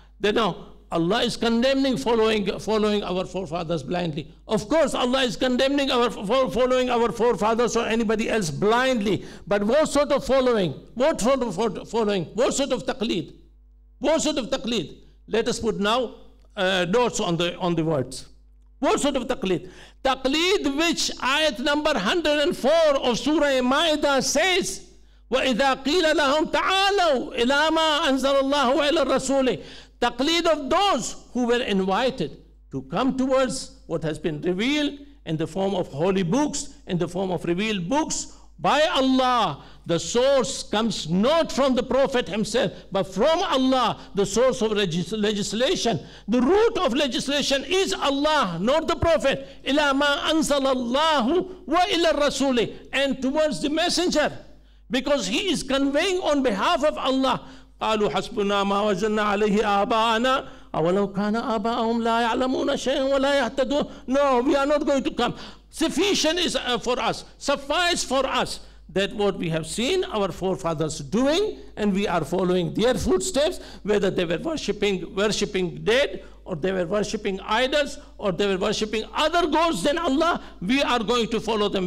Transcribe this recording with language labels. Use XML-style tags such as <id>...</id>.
<en>Then now, Allah is condemning following our forefathers blindly. Of course, Allah is condemning following our forefathers or anybody else blindly. But what sort of following? What sort of following? What sort of taqleed? What sort of taqleed? Let us put now dots on the words. What sort of taqleed? Taqleed which ayat number 104 of Surah Maidah says,</en> <ar>وَإِذَا قِيلَ لَهُمْ تَعَالَوْا إِلَىٰ مَا أَنزَلَ اللَّهُ وَإِلَىٰ الرَّسُولِ.</ar> <en>Taqleed of those who were invited to come towards what has been revealed in the form of holy books, in the form of revealed books by Allah. The source comes not from the Prophet himself, but from Allah, the source of legislation. The root of legislation is Allah, not the Prophet.</en> <ar>إِلَىٰ مَا أَنزَلَ اللَّهُ وَإِلَىٰ الرَّسُولِ.</ar> <en>And towards the messenger, because he is conveying on behalf of Allah.</en> <ar>قالوا حسبنا ما وجدنا عليه آباءنا أولو كان آباءهم لا يعلمون شيئا ولا يهتدون.</ar> <en>No, we are not going to come. Sufficient is for us. Suffice for us that what we have seen our forefathers doing, and we are following their footsteps, whether they were worshipping dead, or they were worshipping idols, or they were worshipping other gods than Allah, we are going to follow them.</en>